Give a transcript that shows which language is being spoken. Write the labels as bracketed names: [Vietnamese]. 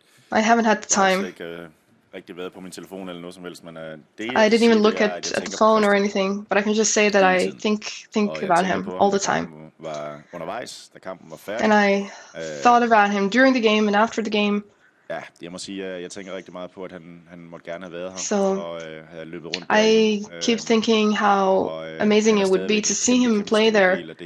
[English] I haven't had the time. I didn't even look at the phone or anything, but I can just say that I think about him all the time. And I thought about him during the game and after the game. [Danish] Ja, jeg må sige, jeg tænker rigtig meget på, at han måtte gerne have været her so, og have løbet rundt. [English] I keep thinking how amazing it would be to see him play there.